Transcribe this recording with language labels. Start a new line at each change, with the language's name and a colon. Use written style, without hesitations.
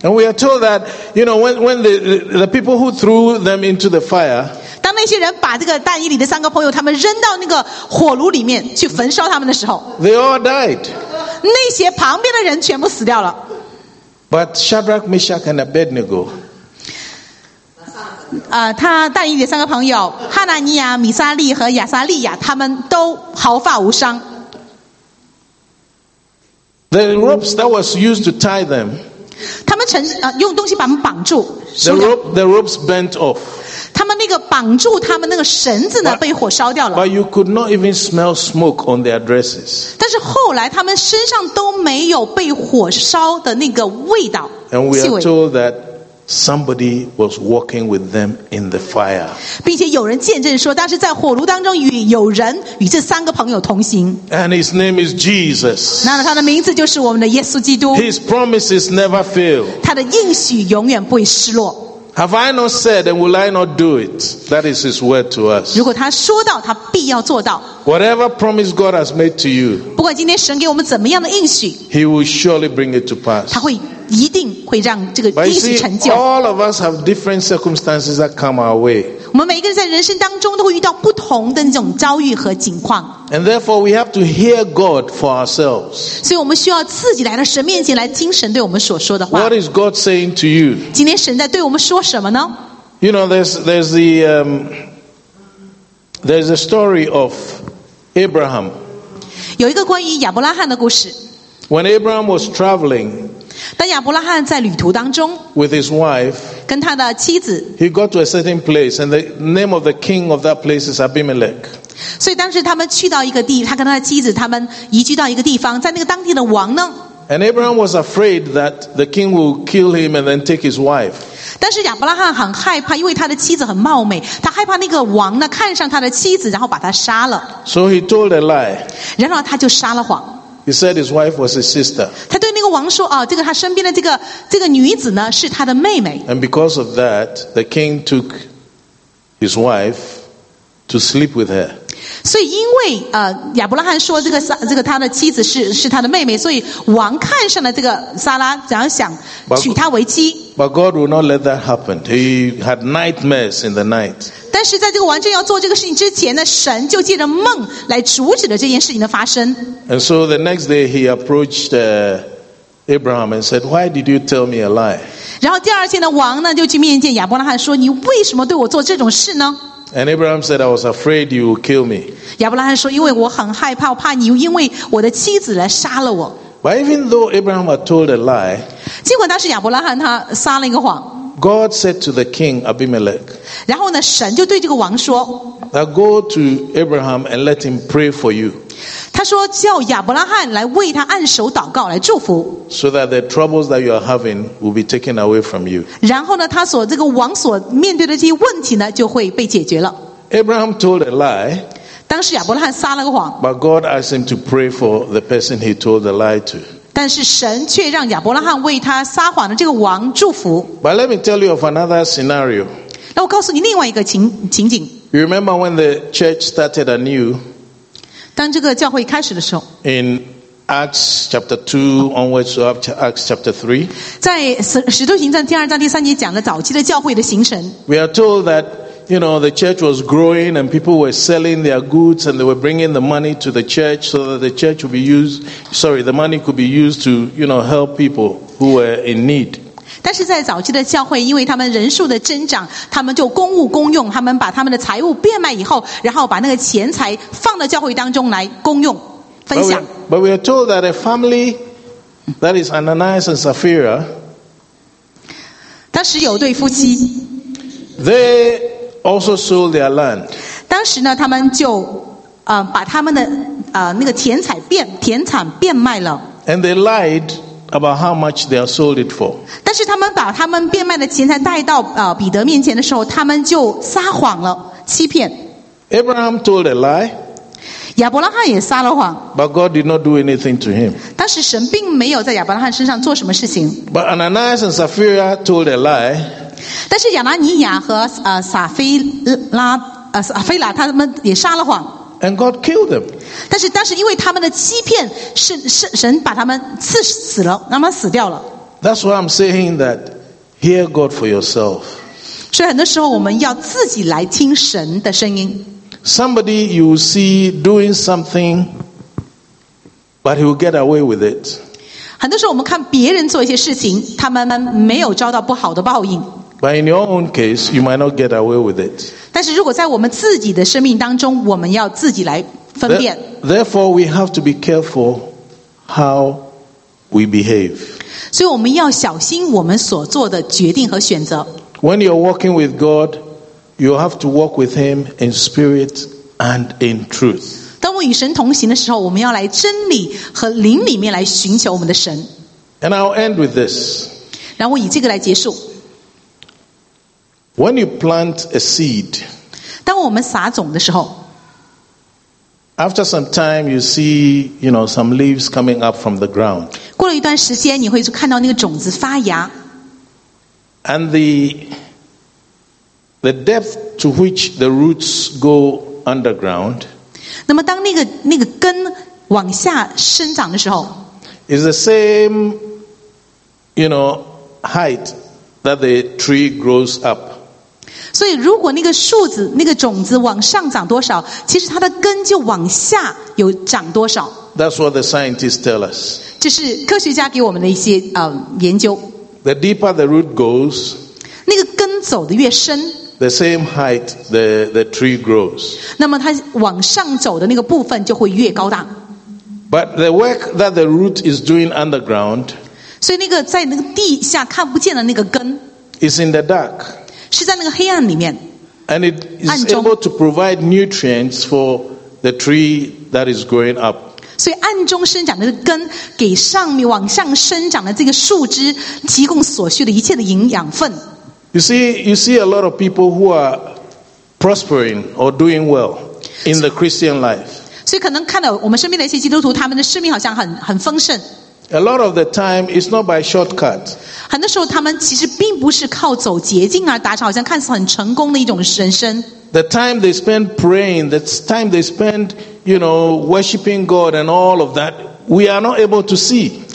English: And we are told that, you know, when the people who threw them into the fire,
Chinese: 当那些人把这个但以理的三个朋友他们扔到那个火炉里面去焚烧他们的时候，
English: they all died.
Chinese: 那些旁边的人全部死掉了。
English: But Shadrach, Meshach and Abednego,
Chinese: 他但以理的三个朋友哈纳尼亚、米撒利和亚撒利亚，他们都毫发无伤。
English: The ropes that was used to tie them,
Chinese: 他们用东西把他们绑住。
English: The ropes bent off,
Chinese: 他们那个绑住他们那个绳子呢被火烧掉了。
English: But you could not even smell smoke on their dresses.
Chinese: 但是后来他们身上都没有被火烧的那个味道。
English: And we are told that somebody was walking with them in the fire.
Chinese: 并且有人见证说当时在火炉当中有人与这三个朋友同行。
English: And his name is Jesus.
Chinese: 那他的名字就是我们的耶稣基督。
English: His promises never fail.
Chinese: 他的应许永远不会失落。
English: Have I not said and will I not do it? That is his word to us.
Chinese: 如果他说到他必要做到。
English: Whatever promise God has made to you,
Chinese: 不管今天神给我们怎么样的应许，
English: He will surely bring it to pass.
Chinese: 他会一定会让这个应许成就。
English: But you see, all of us have different circumstances that come our way.
Chinese: 我们每一个人在人生当中都会遇到不同的那种遭遇和境况。
English: And therefore we have to hear God for ourselves.
Chinese: 所以我们需要自己来到神面前来听神对我们所说的话。
English: What is God saying to you?
Chinese: 今天神在对我们说什么呢？
English: You know, there's a story of Abraham.
Chinese: 有一个关于亚伯拉罕的故事。
English: When Abraham was traveling,
Chinese: 当亚伯拉罕在旅途当中
English: with his wife,
Chinese: 跟他的妻子，
English: he got to a certain place and the name of the king of that place is Abimelech.
Chinese: 所以当时他们去到一个地，他跟他的妻子他们移居到一个地方，在那个当地的王呢，
English: and Abraham was afraid that the king will kill him and then take his wife.
Chinese: 但是亚伯拉罕很害怕，因为他的妻子很貌美，他害怕那个王呢看上他的妻子，然后把他杀了。
English: So he told a lie.
Chinese: 然后他就撒了谎。
English: He said his wife was his sister.
Chinese: 他对那个王说，哦，这个他身边的这个女子呢是他的妹妹。
English: And because of that, the king took his wife to sleep with her.
Chinese: 所以因为亚伯拉罕说这个他的妻子是他的妹妹，所以王看上了这个撒拉，然后想娶她为妻。
English: But God will not let that happen. He had nightmares in the night.
Chinese: 但是在这个王正要做这个事情之前呢，神就借着梦来阻止了这件事情的发生。
English: And so the next day he approached Abraham and said, "Why did you tell me a lie?"
Chinese: 然后第二天呢，王呢就去面见亚伯拉罕说，你为什么对我做这种事呢？
English: And Abraham said, "I was afraid you would kill me."
Chinese: 亚伯拉罕说，因为我很害怕，我怕你因为我的妻子来杀了我。
English: But even though Abraham had told a lie,
Chinese: 尽管当时亚伯拉罕他撒了一个谎。
English: God said to the king Abimelech.
Chinese: 然后呢，神就对这个王说
English: "That go to Abraham and let him pray for you."
Chinese: 他说叫亚伯拉罕来为他按手祷告，来祝福。
English: So that the troubles that you are having will be taken away from you.
Chinese: 然后呢，他所这个王所面对的这些问题呢，就会被解决了。
English: Abraham told a lie.
Chinese: 当时亚伯拉罕撒了个谎。
English: But God asked him to pray for the person he told the lie to.
Chinese: 但是神却让亚伯拉罕为他撒谎的这个王祝福。
English: But let me tell you of another scenario.
Chinese: 那我告诉你另外一个情景。
English: You remember when the church started anew?
Chinese: 当这个教会开始的时候。
English: In Acts chapter 2 onwards to Acts chapter 3.
Chinese: 在使徒行传第二章第三节讲了早期的教会的形成。
English: We are told that, you know, the church was growing and people were selling their goods and they were bringing the money to the church so that the church would be used, sorry, the money could be used to, you know, help people who were in need.
Chinese: 但是在早期的教会，因为他们人数的增长，他们就公务公用，他们把他们的财物变卖以后，然后把那个钱财放到教会当中来公用分享。
English: But we are told that a family that is Ananias and Sapphira,
Chinese: 当时有对夫妻。
English: They also sold their land.
Chinese: 当时呢，他们就把他们的那个田产变卖了。
English: And they lied about how much they are sold it for.
Chinese: 但是他们把他们变卖的钱财带到彼得面前的时候，他们就撒谎了，欺骗。
English: Abraham told a lie.
Chinese: 亚伯拉罕也撒了谎。
English: But God did not do anything to him.
Chinese: 当时神并没有在亚伯拉罕身上做什么事情。
English: But Ananias and Sapphira told a lie.
Chinese: 但是亚拿尼亚和撒菲拉他们也撒了谎。
English: And God killed them.
Chinese: 但是当时因为他们的欺骗，神把他们刺死了，让他们死掉了。
English: That's why I'm saying that hear God for yourself.
Chinese: 所以很多时候我们要自己来听神的声音。
English: Somebody you see doing something, but he will get away with it.
Chinese: 很多时候我们看别人做一些事情，他们没有遭到不好的报应。
English: But in your own case, you might not get away with it.
Chinese: 但是如果在我们自己的生命当中，我们要自己来分辨。
English: Therefore, we have to be careful how we behave.
Chinese: 所以我们要小心我们所做的决定和选择。
English: When you're walking with God, you have to walk with Him in spirit and in truth.
Chinese: 当我与神同行的时候，我们要来真理和灵里面来寻求我们的神。
English: And I'll end with this.
Chinese: 然后我以这个来结束。
English: When you plant a seed,
Chinese: 当我们撒种的时候
English: after some time you see, you know, some leaves coming up from the ground.
Chinese: 过了一段时间，你会看到那个种子发芽。
English: And the depth to which the roots go underground,
Chinese: 那么当那个根往下生长的时候
English: is the same, you know, height that the tree grows up.
Chinese: 所以如果那个树子那个种子往上长多少，其实它的根就往下有长多少。
English: That's what the scientists tell us.
Chinese: 这是科学家给我们的一些研究。
English: The deeper the root goes,
Chinese: 那个根走得越深，
English: the same height the tree grows.
Chinese: 那么它往上走的那个部分就会越高大。
English: But the work that the root is doing underground,
Chinese: 所以那个在那个地下看不见的那个根
English: is in the dark.
Chinese: 是在那个黑暗里面。
English: And it is able to provide nutrients for the tree that is growing up.
Chinese: 所以暗中生长的根给上面往上生长的这个树枝提供所需的一切的营养分。
English: You see a lot of people who are prospering or doing well in the Christian life.
Chinese: 所以可能看到我们身边的一些基督徒，他们的生命好像很丰盛。
English: A lot of the time, it's not by shortcut.
Chinese: 很多时候，他们其实并不是靠走捷径而达成，好像看似很成功的一种人生。
English: The time they spend praying, the time they spend, you know, worshiping God and all of that, we are not able to see.